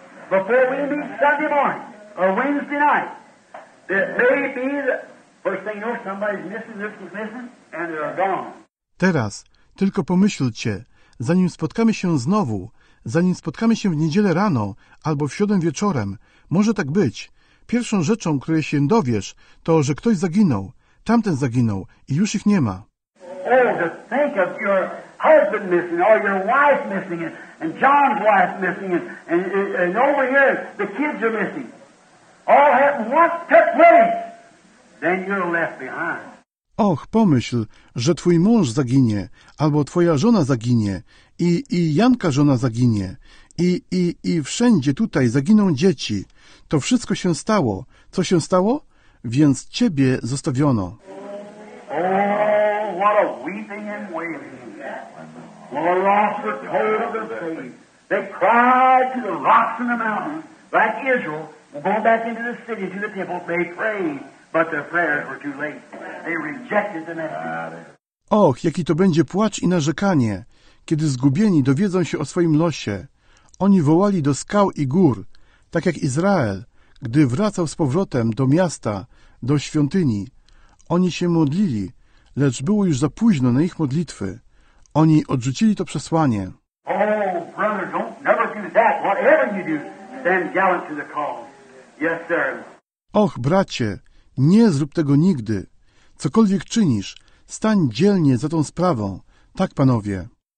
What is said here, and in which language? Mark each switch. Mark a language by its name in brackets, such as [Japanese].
[English] Before we meet Sunday morning or Wednesday night, it may be that First thing you know, somebody's missing, this is missing, and they're gone. [Polish] Teraz tylko pomyślcie, zanim spotkamy się znowu, zanim spotkamy się w niedzielę rano albo w środę wieczorem, może tak być. Pierwszą rzeczą, której się dowiesz, to, że ktoś zaginął. Tamten zaginął i już ich nie ma. [English] Oh, to think of your husband missing, or your wife missing, and John's wife missing, and over here the kids are missing. All happened once, took place. Then you're left behind. [Polish] Och, pomyśl, że twój mąż zaginie, albo twoja żona zaginie, i Janka żona zaginie, i wszędzie tutaj zaginą dzieci. To wszystko się stało. Co się stało? Więc ciebie zostawiono. [English] Oh, what a weeping and wailing. What a loss of toil of the faith. They cried to the rocks and the mountains, like Israel, going back into the city, to the temple, they prayed. But their prayers were too late. They rejected the message. [Polish] Och, jaki to będzie płacz i narzekanie, kiedy zgubieni dowiedzą się o swoim losie. Oni wołali do skał i gór, tak jak Izrael, gdy wracał z powrotem do miasta, do świątyni. Oni się modlili, lecz było już za późno na ich modlitwy. Oni odrzucili to przesłanie. [English] Oh, brother, don't never do that. Whatever you do, stand gallant to the call. Yes, sir. [Polish] Och, bracie, nie zrób tego nigdy. Cokolwiek czynisz, stań dzielnie za tą sprawą. Tak, panowie.